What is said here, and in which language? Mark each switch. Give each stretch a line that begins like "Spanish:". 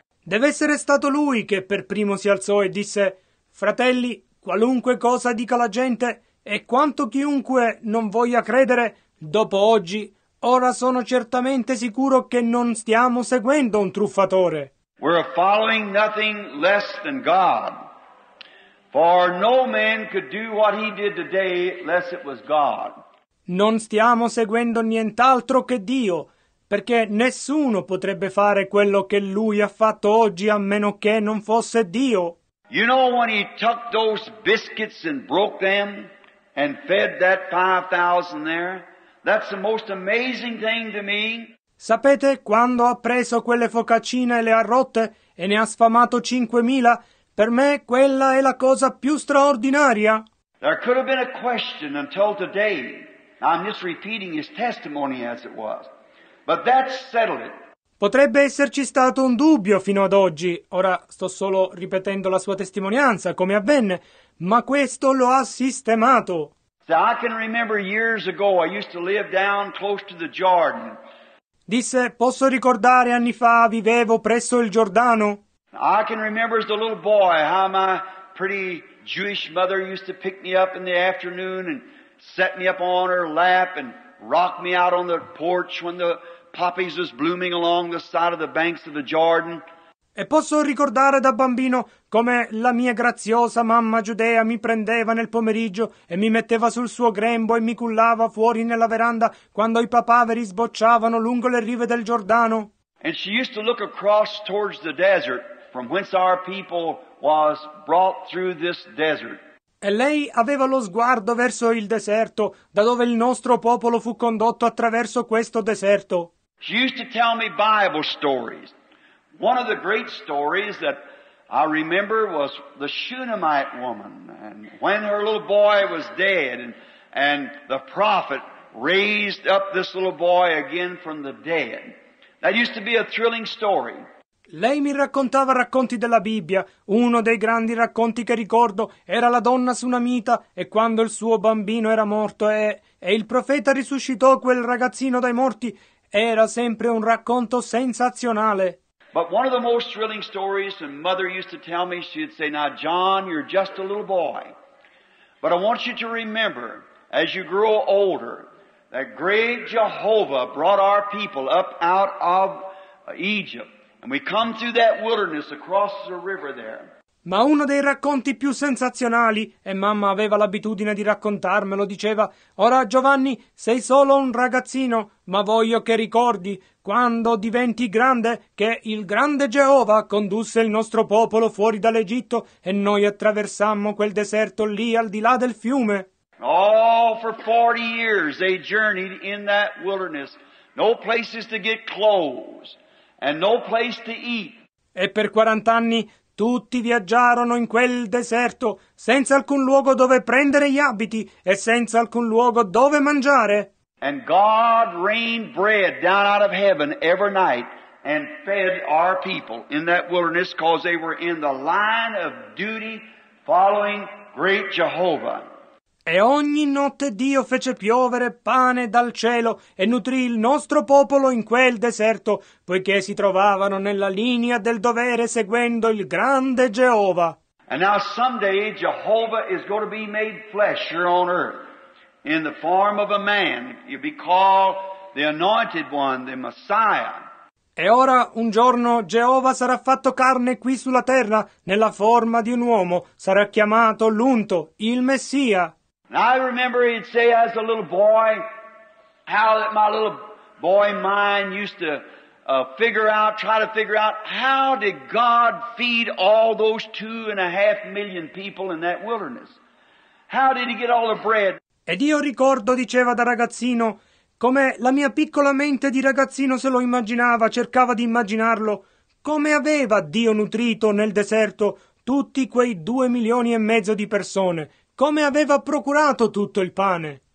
Italian: Deve essere stato lui che per primo si alzò e disse, fratelli, qualunque cosa dica la gente, e quanto chiunque non voglia credere, dopo oggi, ora sono certamente sicuro che non stiamo seguendo un truffatore.
English: We're following nothing less than God. For no man could do what he did today unless it was God.
Italian: Non stiamo seguendo nient'altro che Dio, perché nessuno potrebbe fare quello che lui ha fatto oggi a meno che non fosse Dio.
English: You know when he took those biscuits and broke them and fed that 5,000 there? That's the most amazing thing to me.
Italian: Sapete quando ha preso quelle focaccine e le ha rotte e ne ha sfamato 5,000? Per me quella è la cosa più straordinaria.
English: There could have been a question until today. I'm just repeating his testimony as it was. But that settled it.
Italian: Potrebbe esserci stato un dubbio fino ad oggi. Ora sto solo ripetendo la sua testimonianza, come avvenne. Ma questo lo ha sistemato.
English: See, I can remember years ago I used to live down close to the Jordan.
Italian: Disse, posso ricordare anni fa vivevo presso il Giordano.
English: I can remember as a little boy how my pretty Jewish mother used to pick me up in the afternoon and set me up on her lap and rock me out on the porch when the poppies was blooming along the side of the banks of the Jordan.
Italian: E posso ricordare da bambino come la mia graziosa mamma giudea mi prendeva nel pomeriggio e mi metteva sul suo grembo e mi cullava fuori nella veranda quando i papaveri sbocciavano lungo le rive del Giordano.
English: And she used to look across towards the desert from whence our people was brought through this desert.
Italian: E lei aveva lo sguardo verso il deserto, da dove il nostro popolo fu condotto attraverso questo deserto.
English: She used to tell me Bible stories. One of the great stories that I remember was the Shunammite woman, and when her little boy was dead, and the prophet raised up this little boy again from the dead. That used to be a thrilling story.
Italian: Lei mi raccontava racconti della Bibbia. Uno dei grandi racconti che ricordo era la donna Sunamita e quando il suo bambino era morto e il profeta risuscitò quel ragazzino dai morti. Era sempre un racconto sensazionale.
English: But one of the most thrilling stories, and mother used to tell me, she'd say, now John, you're just a little boy, but I want you to remember, as you grow older, that great Jehovah brought our people up out of Egypt, and we come through that wilderness across the river there.
Italian: Ma uno dei racconti più sensazionali, e mamma aveva l'abitudine di raccontarmelo, diceva, ora Giovanni, sei solo un ragazzino, ma voglio che ricordi, quando diventi grande, che il grande Geova condusse il nostro popolo fuori dall'Egitto e noi attraversammo quel deserto lì al di là del fiume.
English: Oh, for 40 years they journeyed in that wilderness, no places to get clothes and no place to eat.
Italian: E per 40 anni tutti viaggiarono in quel deserto senza alcun luogo dove prendere gli abiti e senza alcun luogo dove mangiare.
English: And God rained bread down out of heaven every night and fed our people in that wilderness because they were in the line of duty following great Jehovah.
Italian: E ogni notte Dio fece piovere pane dal cielo e nutrì il nostro popolo in quel deserto, poiché si trovavano nella linea del dovere seguendo il grande Geova.
English: And now someday Jehovah is going to be made flesh here on earth in the form of a man. You'll be called the anointed one, the Messiah.
Italian: E ora un giorno Geova sarà fatto carne qui sulla terra nella forma di un uomo. Sarà chiamato l'unto, il Messia.
English: Now I remember he'd say as a little boy how that my little boy mind used to try to figure out how did God feed all those 2.5 million people in that wilderness? How did he get all the bread?
Italian: Ed io ricordo, diceva da ragazzino, come la mia piccola mente di ragazzino se lo immaginava, cercava di immaginarlo, come aveva Dio nutrito nel deserto tutti quei 2.5 milioni di persone. Come aveva procurato tutto il pane?